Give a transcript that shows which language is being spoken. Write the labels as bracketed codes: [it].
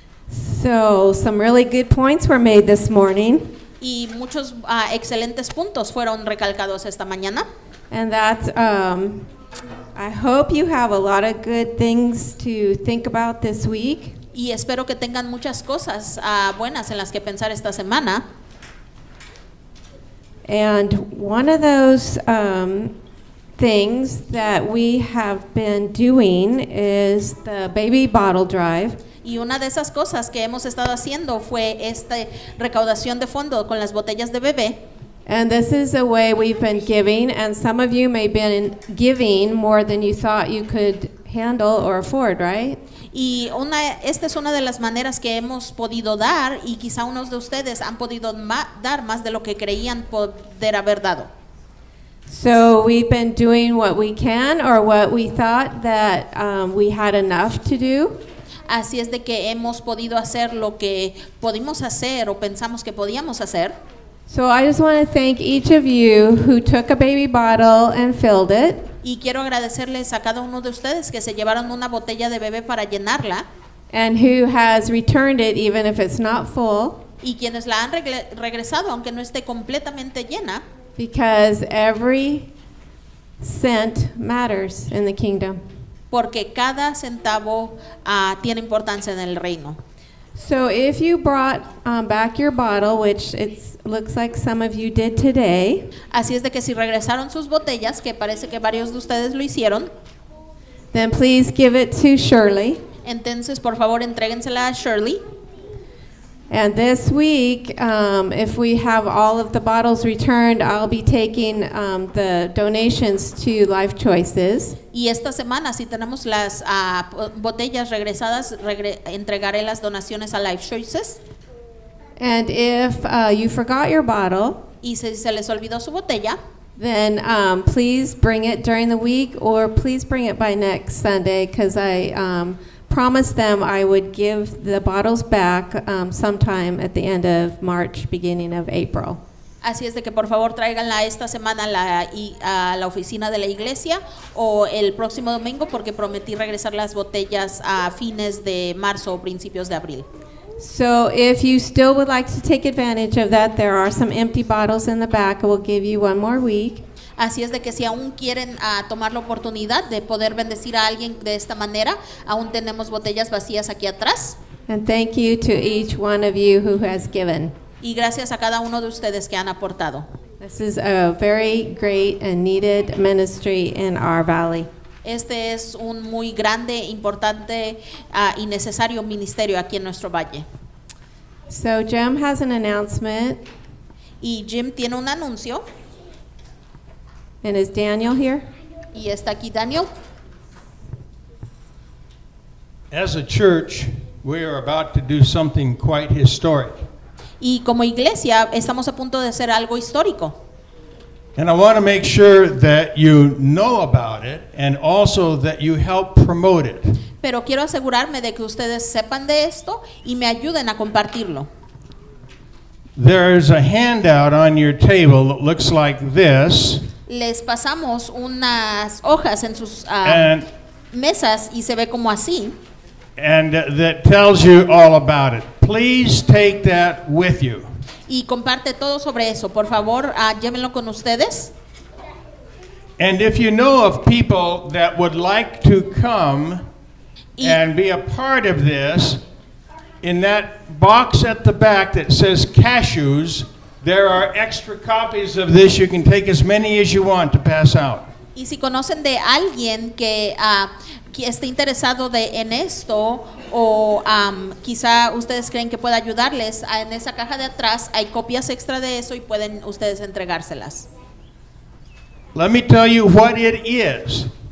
[en] So, some really good points were made this morning. [es] Y muchos excelentes puntos fueron recalcados esta mañana. [en] And that I hope you have a lot of good things to think about this week. [es] Y espero que tengan muchas cosas buenas en las que pensar esta semana. [en] And one of those things that we have been doing is the baby bottle drive. [es] Y una de esas cosas que hemos estado haciendo fue esta recaudación de fondo con las botellas de bebé. [en] And this is a way we've been giving, and some of you may have been giving more than you thought you could handle or afford, right? [es] Y esta es una de las maneras que hemos podido dar, y quizá unos de ustedes han podido dar más de lo que creían poder haber dado. [en] So we've been doing what we can or what we thought that we had enough to do. [es] Así es de que hemos podido hacer lo que pudimos hacer o pensamos que podíamos hacer. [en] So I just want to thank each of you who took a baby bottle and filled it. [es] Y quiero agradecerles a cada uno de ustedes que se llevaron una botella de bebé para llenarla. [en] And who has returned it even if it's not full. [es] Y quienes la han regresado aunque no esté completamente llena. [en] Because every cent matters in the kingdom. [es] Porque cada centavo tiene importancia en el reino. [en] So if you brought back your bottle, which it looks like some of you did today. [es] Así es de que si regresaron sus botellas, que parece que varios de ustedes lo hicieron. [en] Then please give it to Shirley. [es] Entonces, por favor, entréguensela a Shirley. [en] And this week, if we have all of the bottles returned, I'll be taking the donations to Life Choices. [es] Y esta semana, si tenemos las botellas regresadas, entregaré las donaciones a Life Choices. [en] And if you forgot your bottle, [es] y si se les olvidó su botella, [en] then please bring it during the week, or please bring it by next Sunday, because I promised them I would give the bottles back sometime at the end of March, beginning of April. [es] Así es de que por favor tráiganla esta semana a la oficina de la iglesia o el próximo domingo porque prometí regresar las botellas a fines de marzo o principios de abril. [en] So if you still would like to take advantage of that, there are some empty bottles in the back. We'll give you one more week. [es] Así es de que si aún quieren tomar la oportunidad de poder bendecir a alguien de esta manera, aún tenemos botellas vacías aquí atrás. [en] And thank you to each one of you who has given. [es] Y gracias a cada uno de ustedes que han aportado. [en] This is a very great and needed ministry in our valley. [es] Este es un muy grande, importante y necesario ministerio aquí en nuestro valle. [en] So Jim has an announcement. [es] Y Jim tiene un anuncio. [en] And is Daniel here? [es] Y está aquí Daniel. [en] As a church, we are about to do something quite historic. [es] Y como iglesia, estamos a punto de hacer algo histórico. [en] And I want to make sure that you know about it and also that you help promote it. [es] Pero quiero asegurarme de que ustedes sepan de esto y me ayuden a compartirlo. [en] There's a handout on your table that looks like this. [es] Les pasamos unas hojas en sus mesas y se ve como así. [en] And that tells you all about it. Please take that with you. [es] Y comparte todo sobre eso. Por favor, llévenlo con ustedes. [en] And if you know of people that would like to come and be a part of this, in that box at the back that says cashews, there are extra copies of this. You can take as many as you want to pass out. [es] Y si conocen de alguien que esté interesado en esto, o quizá ustedes creen que pueda ayudarles, en esa caja de atrás hay copias extra de eso y pueden ustedes entregárselas. [en] Let me tell you what it is.